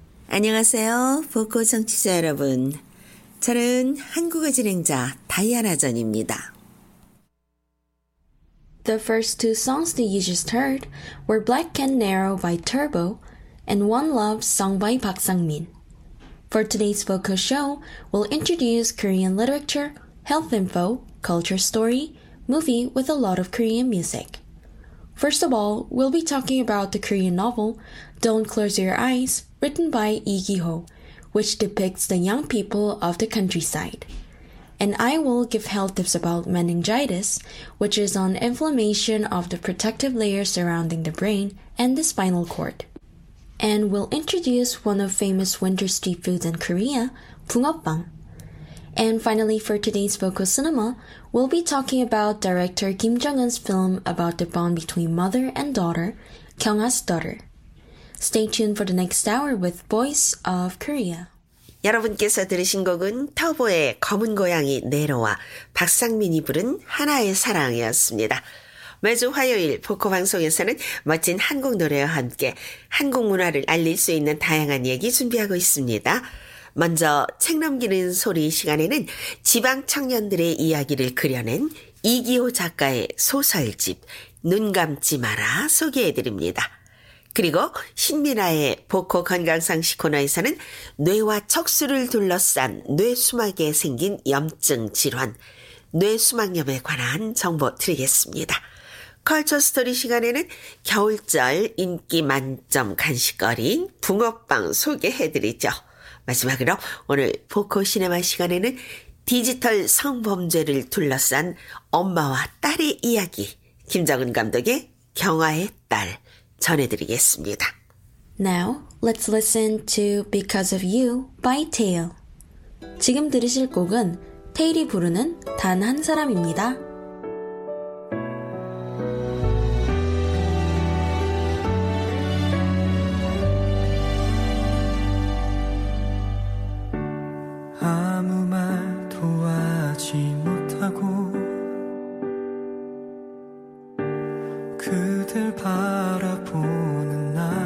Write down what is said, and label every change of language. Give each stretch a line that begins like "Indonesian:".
Korean: 안녕하세요, 보코 청취자 여러분. 저는 한국어 진행자 다이아나 전입니다.
English: The first two songs that you just heard were Black and Narrow by Turbo and One Love sung by Park Sang-min. For today's Voco show, we'll introduce Korean literature, health info, culture story, movie with a lot of Korean music. First of all, we'll be talking about the Korean novel Don't Close Your Eyes, written by Lee Ki-ho, which depicts the young people of the countryside. And I will give health tips about meningitis, which is an inflammation of the protective layer surrounding the brain and the spinal cord. And we'll introduce one of famous winter street foods in Korea, bungeoppang. And finally, for today's Focus Cinema, we'll be talking about director Kim Jong-un's film about the bond between mother and daughter, Kyung-ha's Daughter. Stay tuned for the next hour with Voice of Korea.
Korean: 여러분께서 들으신 곡은 터보의 검은 고양이 내려와 박상민이 부른 하나의 사랑이었습니다. 매주 화요일 포커 방송에서는 멋진 한국 노래와 함께 한국 문화를 알릴 수 있는 다양한 얘기 준비하고 있습니다. 먼저 책 넘기는 소리 시간에는 지방 청년들의 이야기를 그려낸 이기호 작가의 소설집 눈 감지 마라 소개해드립니다. 그리고 신민아의 보코 건강상식 코너에서는 뇌와 척수를 둘러싼 뇌수막에 생긴 염증 질환 뇌수막염에 관한 정보 드리겠습니다. 컬처 스토리 시간에는 겨울철 인기 만점 간식거리인 붕어빵 소개해드리죠. 마지막으로 오늘 보코 시네마 시간에는 디지털 성범죄를 둘러싼 엄마와 딸의 이야기, 김정은 감독의 경화의 딸 전해드리겠습니다.
English: Now, let's listen to Because of You by Tail.
Korean: 지금 들으실 곡은 테일이 부르는 단 한 사람입니다. 아무 말도 하지 못하고 그댈 바라보는 나